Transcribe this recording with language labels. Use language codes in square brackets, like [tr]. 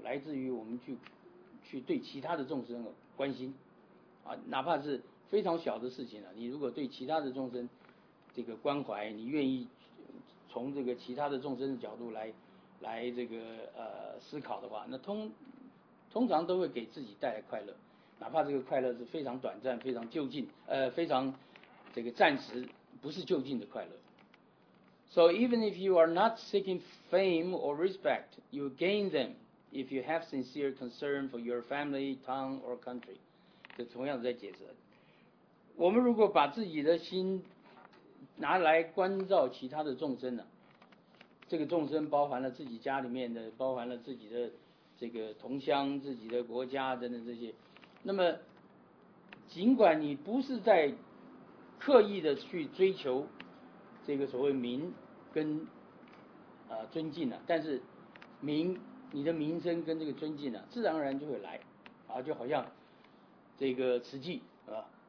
[zh] 来自于我们去对其他的众生的关心啊，哪怕是非常小的事情啊，你如果对其他的众生这个关怀，你愿意从这个其他的众生的角度来这个思考的话，那通常都会给自己带来快乐，哪怕这个快乐是非常短暂、非常就近非常这个暂时，不是就近的快乐。 [en] So even if you are not seeking fame or respect, you gain them if you have sincere concern for your family, town, or country. [zh] 这同样在解释，我们如果把自己的心拿来关照其他的众生呢、啊？这个众生包含了自己家里面的，包含了自己的这个同乡、自己的国家等等这些。那么，尽管你不是在刻意的去追求这个所谓名跟尊敬了、啊，但是名，你的名声跟这个尊敬呢、啊，自然而然就会来啊，就好像这个慈济是吧？